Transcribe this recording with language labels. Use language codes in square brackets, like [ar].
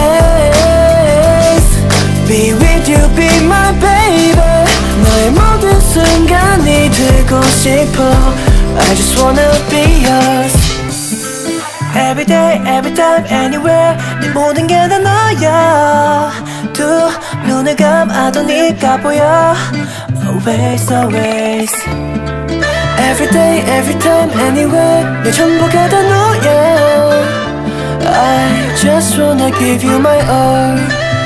[en] Always be with you, be my baby. [ko] 순간이 되고 싶어. [en] I just wanna be yours. Every day, every time, anywhere. [ko] 네 모든 게 다 너야. 두 눈을 감아도 네가 보여. [en] Always, always. Every day, every time, anywhere. [ko] 내 전부가 다 너야. [en] I just wanna give you my all.